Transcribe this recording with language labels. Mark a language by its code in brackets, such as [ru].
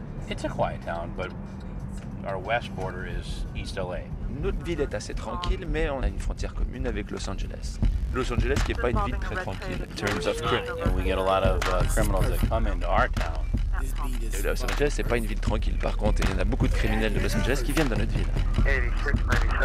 [en] It's a quiet town, but our west border is East LA. [fr] Notre ville est assez tranquille, mais on a une frontière commune avec Los Angeles. Los Angeles qui est pas une ville très tranquille [en] in terms of crime. And we get a lot of criminals that come into our town. [fr] Los Angeles, c'est pas une ville tranquille. Par contre, il y en a beaucoup de criminels de Los Angeles qui viennent dans notre ville.